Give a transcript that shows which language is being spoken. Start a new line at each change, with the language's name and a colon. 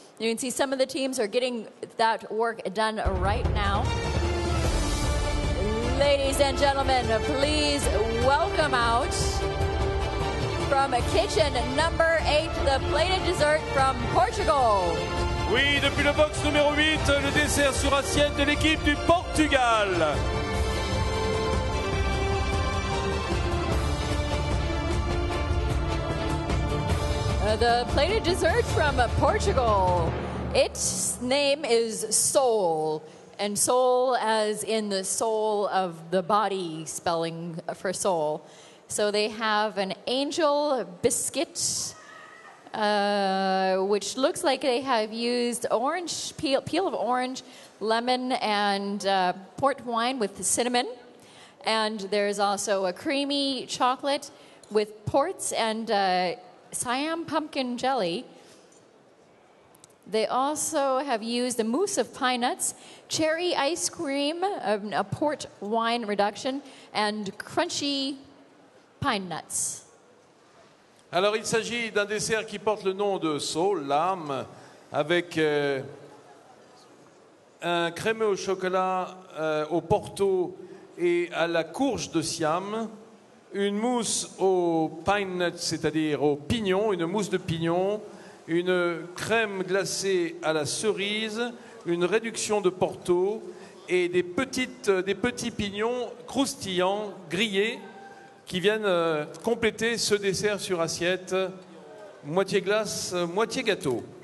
English: You can see some of the teams are getting that work done right now. Ladies and gentlemen, please welcome out from kitchen number 8, the plated dessert from Portugal.
French: Oui, depuis le box numéro 8, le dessert sur assiette de l'équipe du Portugal.
English: The plated dessert from Portugal. Its name is Sol, and Sol as in the soul of the body, spelling for soul. So they have an angel biscuit, which looks like they have used orange peel of orange, lemon, and port wine with the cinnamon. And there's also a creamy chocolate with ports and Siam pumpkin jelly. They also have used a mousse of pine nuts, cherry ice cream, a port wine reduction, and crunchy pine nuts.
French: Alors, il s'agit d'un dessert qui porte le nom de Soul, l'âme, avec un crémeux au chocolat au Porto et à la courge de Siam, une mousse au pine nuts, c'est-à-dire au pignon, une mousse de pignon, une crème glacée à la cerise, une réduction de Porto et des petits pignons croustillants grillés qui viennent compléter ce dessert sur assiette, moitié glace, moitié gâteau.